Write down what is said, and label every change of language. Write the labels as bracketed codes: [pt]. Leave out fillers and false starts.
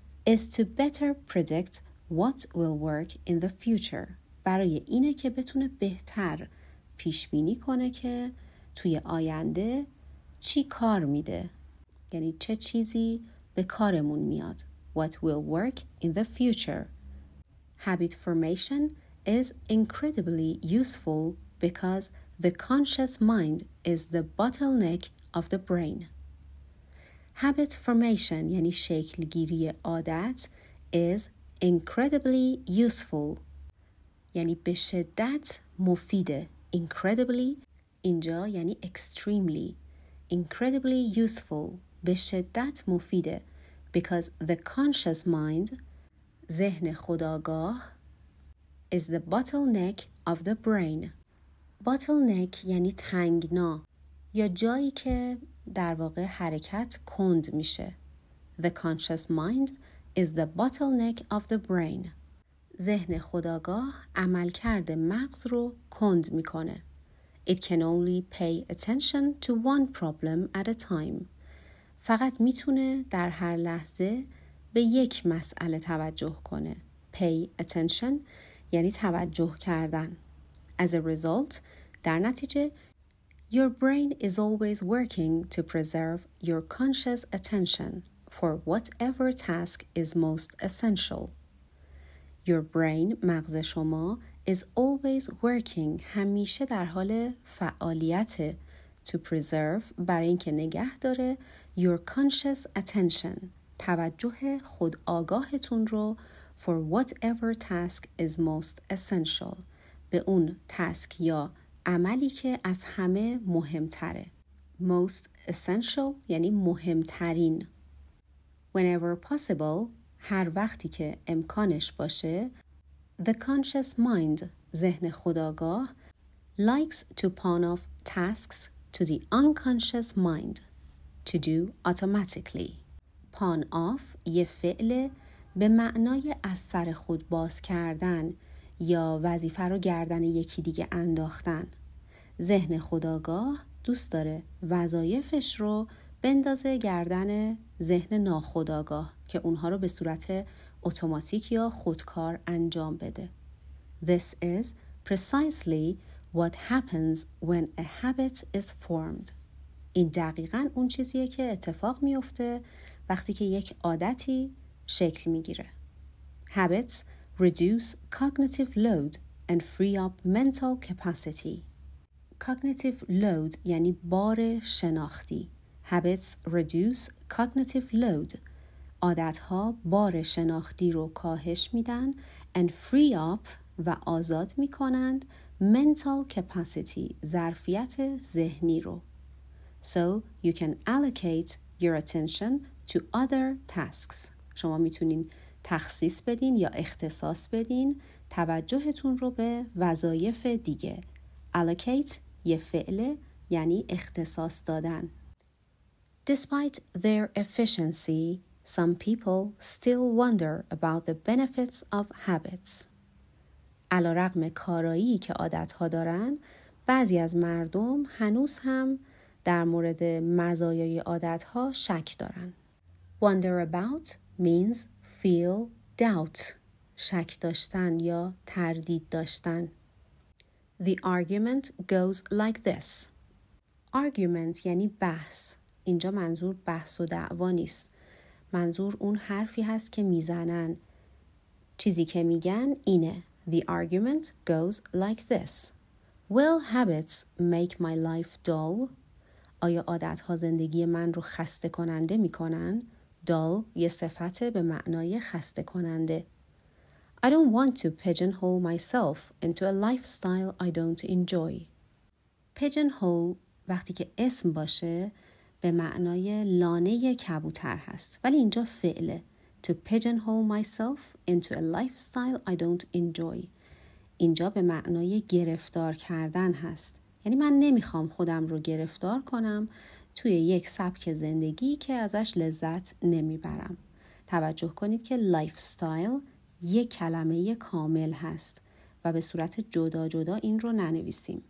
[en] is to better predict what will work in the future [fa] برای اینه که بتونه بهتر پیش بینی کنه که توی آینده چی کار میده یعنی چه چیزی به کارمون میاد [en] What will work in the future? habit formation is incredibly useful because the conscious mind is the bottleneck of the brain. [fa] Habit formation یعنی شکلگیری عادت [en] is incredibly useful [fa] یعنی به شدت مفیده. Incredibly اینجا یعنی extremely. [en] Incredibly useful [fa] به شدت مفیده [en] because the conscious mind [fa] ذهن خودآگاه [en] is the bottleneck of the brain. [fa] Bottleneck یعنی تنگنا یا جایی که در واقع حرکت کند میشه. [en] The conscious mind is the bottleneck of the brain. [fa] ذهن خودآگاه عمل کرده مغز رو کند میکنه. [en] It can only pay attention to one problem at a time. [fa] فقط میتونه در هر لحظه به یک مسئله توجه کنه. Pay attention یعنی توجه کردن. [en] As a result, [fa] در نتیجه, [en] your brain is always working to preserve your conscious attention for whatever task is most essential. Your brain, [fa] مغز شما, [en] is always working, [fa] همیشه در حال فعالیت [en] to preserve, [fa] برای اینکه نگه داره, [en] your conscious attention, [fa] توجه خود آگاهتون رو [en] for whatever task is most essential, [fa] به اون task یا عملی که از همه مهمتره. Most essential یعنی مهمترین. [en] Whenever possible, [fa] هر وقتی که امکانش باشه, [en] the conscious mind, [fa] ذهن خودآگاه, [en] likes to pawn off tasks to the unconscious mind to do automatically. [fa] Pawn off یه فعله به معنای از سر خود باز کردن یا وظیفه رو گردن یکی دیگه انداختن. ذهن خودآگاه دوست داره وظایفش رو بندازه گردن ذهن ناخودآگاه که اونها رو به صورت اتوماتیک یا خودکار انجام بده. [en] This is precisely what happens when a habit is formed. [fa] این دقیقاً اون چیزیه که اتفاق میفته وقتی که یک عادتی شکل میگیره. [en] Habits reduce cognitive load and free up mental capacity. [fa] Cognitive load یعنی بار شناختی. [en] Habits reduce cognitive load. [fa] عادت‌ها بار شناختی رو کاهش میدن [en] and free up [fa] و آزاد میکنند [en] mental capacity [fa] ظرفیت ذهنی رو. [en] So you can allocate your attention to other tasks. [fa] شما میتونین تخصیص بدین یا اختصاص بدین توجهتون رو به وظایف دیگه. Allocate یه فعله یعنی اختصاص دادن. [en] Despite their efficiency, some people still wonder about the benefits of habits. [fa] علارغم کارایی که عادت‌ها دارن، بعضی از مردم هنوز هم در مورد مزایای عادت‌ها شک دارن. [en] Wonder about means feel doubt. [fa] شک داشتن یا تردید داشتن. The argument goes like this. Argument یعنی بحث. اینجا منظور بحث و دعوا نیست. منظور اون حرفی هست که میزنن. چیزی که میگن اینه. [en] The argument goes like this. Will habits make my life dull? [fa] آیا عادت‌ها زندگی من رو خسته کننده میکنن؟ Dull یه صفت به معنای خسته کننده. [en] I don't want to pigeonhole myself into a lifestyle I don't enjoy. [fa] Pigeonhole وقتی که اسم باشه به معنای لانه کبوتر هست. ولی اینجا فعله. [en] To pigeonhole myself into a lifestyle I don't enjoy. [fa] اینجا به معنای گرفتار کردن هست. یعنی من نمیخوام خودم رو گرفتار کنم توی یک سبک زندگی که ازش لذت نمیبرم. توجه کنید که lifestyle یک کلمه کامل هست و به صورت جدا جدا این رو ننویسیم.